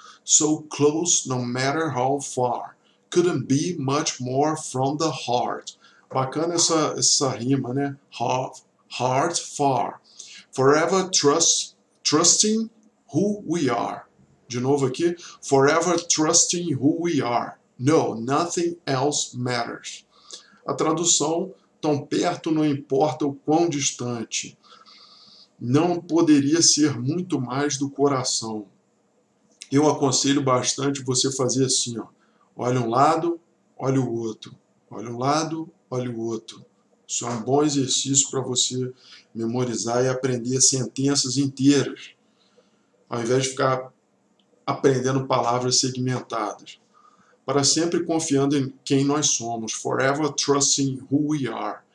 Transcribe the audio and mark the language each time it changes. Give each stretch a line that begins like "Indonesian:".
English: So close, no matter how far. Couldn't be much more from the heart.
Portuguese: Bacana essa rima, né? Heart far.
English: Forever trusting who we are.
Portuguese: De novo aqui.
English: Forever trusting who we are. No, nothing else matters.
Portuguese: A tradução, tão perto não importa o quão distante. Não poderia ser muito mais do coração. Eu aconselho bastante você fazer assim, ó. Olha um lado, olha o outro. Olha um lado, olha o outro. Isso é um bom exercício para você memorizar e aprender sentenças inteiras, ao invés de ficar aprendendo palavras segmentadas. Para sempre confiando em quem nós somos.
English: Forever trusting who we are.